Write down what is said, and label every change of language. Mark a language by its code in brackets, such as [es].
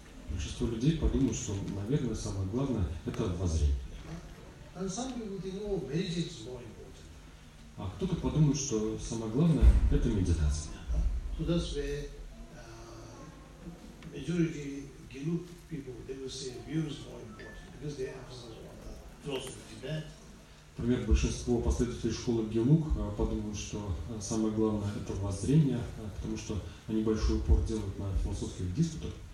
[ru] Большинство людей подумают, что, наверное, самое главное это воззрение. [en] And some people think, oh, meditation is more important. [ru] А кто-то подумает, что самое главное это медитация. [en] So that's where majority Gelu people, they will say view is more important because they emphasize on the philosophy of Tibet. [ru] Например, большинство последователей школы Гелуг подумают, что самое главное это воззрение, потому что они большой упор делают на философских диспутах.